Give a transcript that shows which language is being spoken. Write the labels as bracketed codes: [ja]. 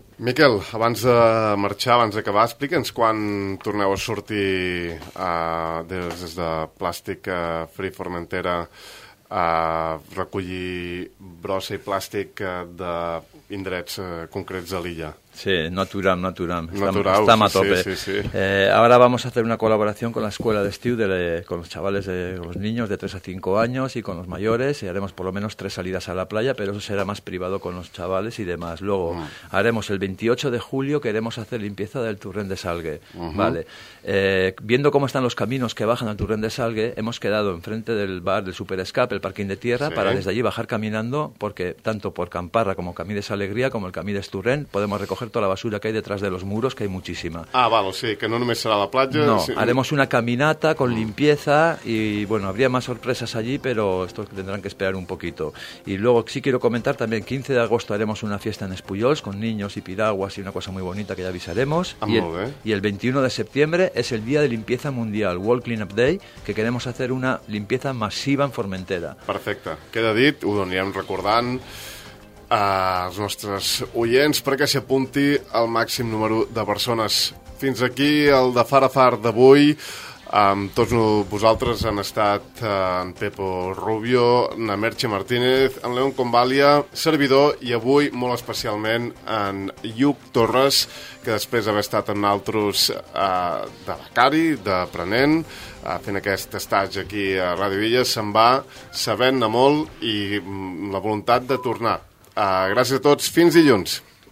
[ca] Miquel, abans de marxar, abans d'acabar, explica'ns quan torneu a sortir des de Plàstic Free Formentera a recollir brossa i plàstic de indrets concrets de l'illa. Sí, no aturam. Estem a tope. Sí. [es] Ahora vamos a hacer una colaboración con la escuela de estiu, con los chavales, los niños de 3 a 5 años y con los mayores, y haremos por lo menos 3 salidas a la playa, pero eso será más privado con los chavales y demás. Luego haremos el 28 de julio, queremos hacer limpieza del Turrén de Salgue. Uh-huh. Vale. Viendo cómo están los caminos que bajan al Turrén de Salgue, hemos quedado enfrente del bar del Super Escape, el parking de tierra, sí, para desde allí bajar caminando, porque tanto por Camparra como Camides Alegría como el Camides Turrén, podemos recoger toda la basura que hay detrás de los muros, que hay muchísima. [ca] Ah, vale, sí, que no només será la platja. [es] No, sí. Haremos una caminata con limpieza y, bueno, habría más sorpresas allí, pero estos tendrán que esperar un poquito. Y luego sí quiero comentar también, 15 de agosto haremos una fiesta en Espullols con niños y piraguas y una cosa muy bonita que ya avisaremos. Y el 21 de septiembre es el Día de Limpieza Mundial, World Cleanup Day, que queremos hacer una limpieza masiva en Formentera. [ca] Perfecte. Queda dit, ho anirem recordant als nostres oients perquè s'hi apunti el màxim número de persones. Fins aquí el de Far a Far d'avui. Amb tots vosaltres han estat en Pepo Rubio, na Merche Martínez, en León Convalia, servidor, i avui molt especialment en Lluc Torres, que després d'haver estat amb nosaltres de becari, d'aprenent, fent aquest estatge aquí a Ràdio Illa, se'n va sabent-ne molt i la voluntat de tornar. Gràcies a tots. Fins dilluns.